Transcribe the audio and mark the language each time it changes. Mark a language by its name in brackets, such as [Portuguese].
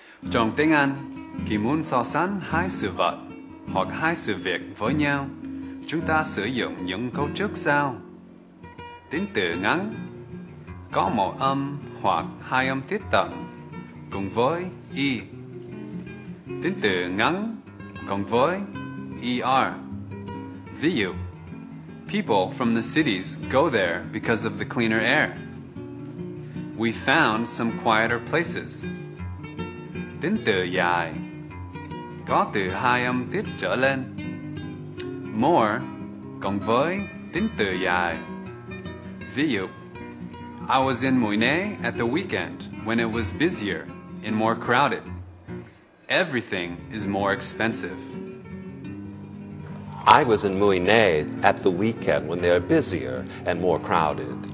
[Vietnamese] Trong tiếng Anh, khi muốn so sánh hai sự vật hoặc hai sự việc với nhau, chúng ta sử dụng những câu trước sau. Tính từ ngắn, có một âm hoặc hai âm tiết tận cùng với y. Tính từ ngắn cùng với er. Ví dụ, [English] people from the cities go there because of the cleaner air. We found some quieter places. [Vietnamese] Tính từ dài, có từ hai âm tiết trở lên. More cùng với tính từ dài. Ví dụ, [English] I was in Mũi Né at the weekend when it was busier and more crowded. Everything is more expensive. I was in Mũi Né at the weekend when they are busier and more crowded.